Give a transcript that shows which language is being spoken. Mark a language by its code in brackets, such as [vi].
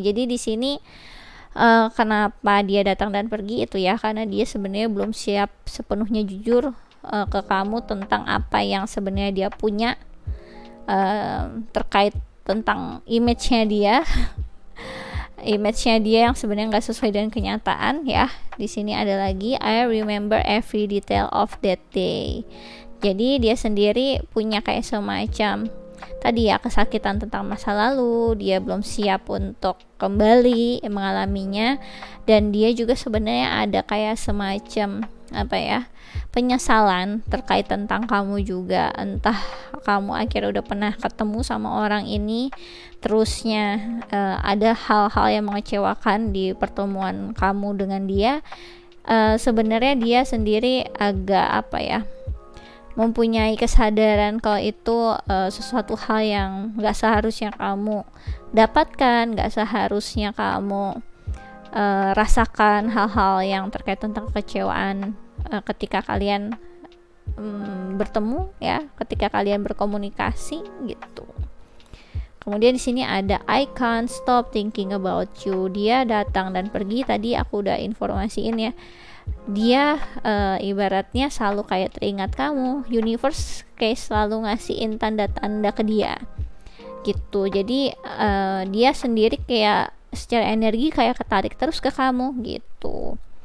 [id] Jadi di sini kenapa dia datang dan pergi itu ya, karena dia sebenarnya belum siap sepenuhnya jujur ke kamu tentang apa yang sebenarnya dia punya terkait tentang image-nya dia. Image-nya dia yang sebenarnya enggak sesuai dengan kenyataan ya. Di sini ada lagi [en] I remember every detail of that day. [id] Jadi dia sendiri punya kayak semacam tadi ya, kesakitan tentang masa lalu, dia belum siap untuk kembali mengalaminya. Dan dia juga sebenarnya ada kayak semacam apa ya, penyesalan terkait tentang kamu juga. Entah kamu akhirnya udah pernah ketemu sama orang ini, terusnya ada hal-hal yang mengecewakan di pertemuan kamu dengan dia. Sebenarnya dia sendiri agak apa ya, mempunyai kesadaran kalau itu sesuatu hal yang gak seharusnya kamu dapatkan, gak seharusnya kamu rasakan hal-hal yang terkait tentang kekecewaan ketika kalian bertemu ya, ketika kalian berkomunikasi gitu. Kemudian di sini ada [en] I can't stop thinking about you. [id] Dia datang dan pergi. Tadi aku udah informasiin ya. Dia ibaratnya selalu kayak teringat kamu. Universe kayak selalu ngasihin tanda-tanda ke dia. Gitu. Jadi dia sendiri kayak secara energi kayak ketarik terus ke kamu gitu.